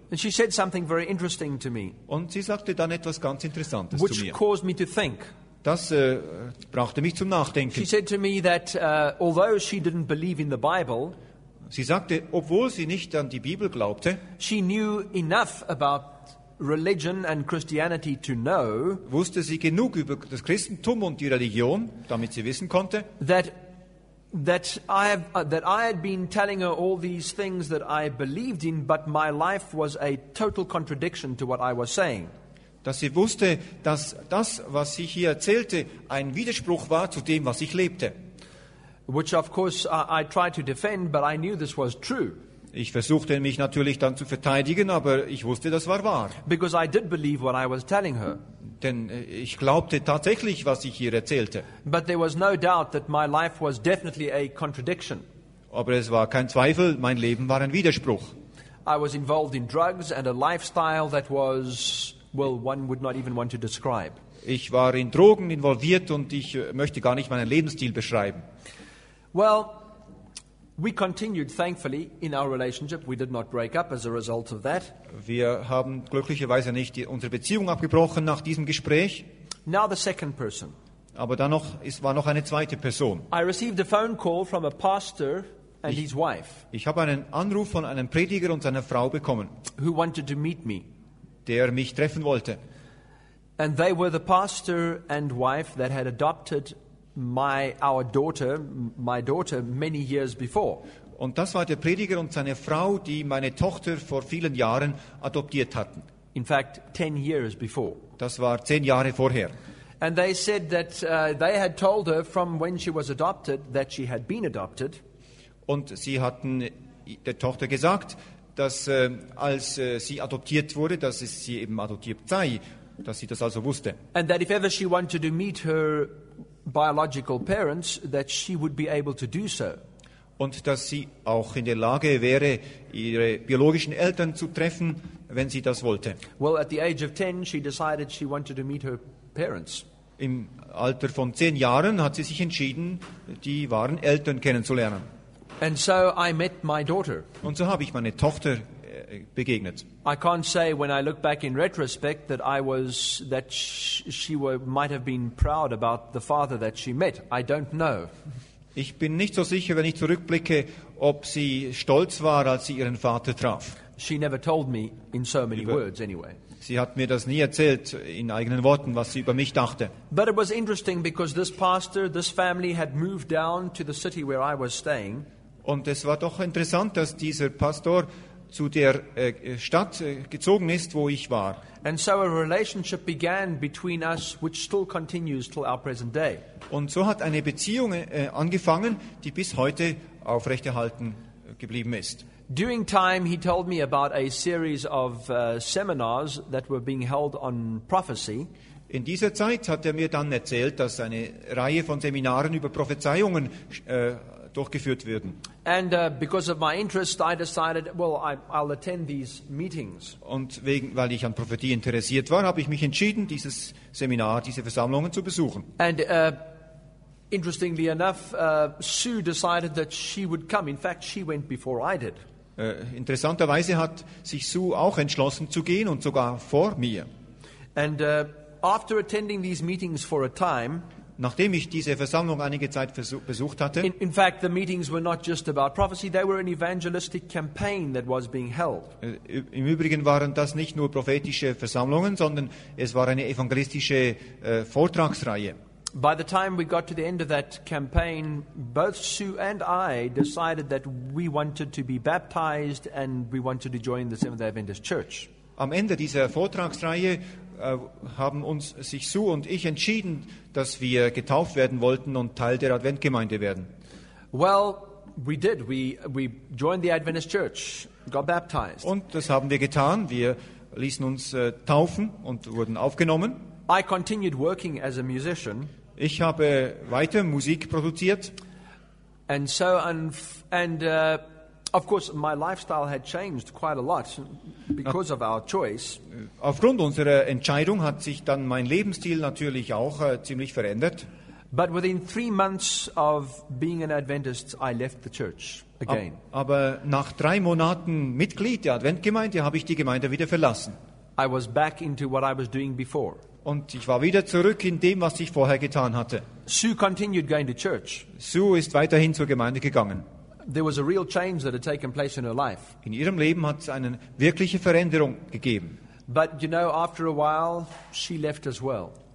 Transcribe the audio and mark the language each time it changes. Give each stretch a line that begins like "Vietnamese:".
English: And she said something very interesting to me.
German: Und sie sagte dann etwas ganz Interessantes
English: which
German: zu mir.
English: Which caused me to think.
German: Das brachte mich zum Nachdenken.
English: She said to me that although she didn't believe in the Bible,
German: sie sagte, obwohl sie nicht an die Bibel glaubte,
English: she knew enough about religion and Christianity to know,
German: wusste sie genug über das Christentum und die Religion, damit sie wissen konnte,
English: that I had been telling her all these things that I believed in, but my life was a total contradiction to what I was saying.
German: Dass sie wusste, dass das, was sie hier erzählte, ein Widerspruch war zu dem, was ich lebte.
English: Which of course I tried to defend, but I knew this was true.
German: Ich versuchte mich natürlich dann zu verteidigen, aber ich wusste, das war wahr.
English: Because I did believe what I was telling her.
German: Denn ich glaubte tatsächlich, was ich ihr erzählte.
English: But there was no doubt that my life was definitely a contradiction.
German: Aber es war kein Zweifel, mein Leben war ein Widerspruch.
English: I was involved in drugs and a lifestyle that was, well, one would not even want to describe.
German: Ich war in Drogen involviert und ich möchte gar nicht meinen Lebensstil beschreiben.
English: Well, we continued thankfully in our relationship. We did not break up as a result of that.
German: Wir haben glücklicherweise nicht unsere Beziehung abgebrochen nach diesem Gespräch.
English: Now the second person.
German: Aber dann noch, es war noch eine zweite Person.
English: I received a phone call from a pastor and his wife.
German: Ich habe einen Anruf von einem Prediger und seiner Frau bekommen.
English: Who wanted to meet me.
German: Der mich treffen wollte.
English: And they were the pastor and wife that had adopted my daughter many years before.
German: Und das war der Prediger und seine Frau, die meine Tochter vor vielen Jahren adoptiert hatten.
English: In fact, 10 years before.
German: Das war 10 Jahre vorher.
English: And they said that they had told her from when she was adopted that she had been adopted.
German: Und sie hatten der Tochter gesagt, dass als sie adoptiert wurde, dass es sie eben adoptiert sei, dass sie das also wusste.
English: And that if ever she wanted to meet her biological parents, that she would be able to do so.
German: Und dass sie auch in der Lage wäre, ihre biologischen Eltern zu treffen, wenn sie das wollte.
English: Well, at the age of 10, she decided she wanted to meet her parents.
German: Im Alter von 10 Jahren hat sie sich entschieden, die wahren Eltern kennenzulernen.
English: And so I met my daughter.
German: Und so habe ich meine Tochter begegnet.
English: I can't say when I look back in retrospect that I was that she were, might have been proud about the father that she met. I don't know.
German: Ich bin nicht so sicher, wenn ich zurückblicke, ob sie stolz war, als sie ihren Vater traf.
English: She never told me in so many words anyway.
German: Sie hat mir das nie erzählt in eigenen Worten, was sie über mich dachte.
English: But it was interesting because this pastor, this family had moved down to the city where I was staying.
German: Und es war doch interessant, dass dieser Pastor zu der Stadt gezogen ist, wo ich war.
English: And so a relationship began between us, which still continues till our present day.
German: Und so hat eine Beziehung angefangen, die bis heute aufrechterhalten geblieben ist.
English: During time, he told me about a series of seminars that were being held on prophecy.
German: In dieser Zeit hat mir dann erzählt, dass eine Reihe von Seminaren über Prophezeiungen durchgeführt werden.
English: And because of my interest, I decided, well, I'll attend these meetings.
German: Und weil ich an Prophetie interessiert war, habe ich mich entschieden, dieses Seminar, diese Versammlungen zu besuchen.
English: And interestingly enough, Sue decided that she would come. In fact, she went before I did.
German: Interessanterweise hat sich Sue auch entschlossen zu gehen und sogar vor mir.
English: And after attending these meetings for a time,
German: nachdem ich diese Versammlung einige Zeit besucht hatte,
English: in fact, the meetings were not just about prophecy, they were an evangelistic campaign that was being held.
German: Im Übrigen waren das nicht nur prophetische Versammlungen, sondern es war eine evangelistische Vortragsreihe.
English: By the time we got to the end of that campaign, both Sue and I decided that we wanted to be baptized and we wanted to join the Seventh-day Adventist Church.
German: Am Ende dieser Vortragsreihe haben uns sich Sue und ich entschieden, dass wir getauft werden wollten und Teil der Adventgemeinde werden.
English: Well, we did. We joined the Adventist Church, got baptized.
German: Und das haben wir getan. Wir ließen uns taufen und wurden aufgenommen.
English: I continued working as a musician.
German: Ich habe weiter Musik produziert.
English: And so of course my lifestyle had changed quite a lot because of our choice.
German: Aufgrund unserer Entscheidung hat sich dann mein Lebensstil natürlich auch ziemlich verändert.
English: But within 3 months of being an Adventist, I left the church again.
German: Aber nach 3 Monaten Mitglied der Adventgemeinde habe ich die Gemeinde wieder verlassen.
English: I was back into what I was doing before.
German: Und ich war wieder zurück in dem, was ich vorher getan hatte.
English: Sue continued going to church.
German: Sue ist weiterhin zur Gemeinde gegangen.
English: There was a real change that had taken place in her life.
German: In ihrem Leben hat es eine wirkliche Veränderung gegeben.
English: But you know, after a while, she left as well.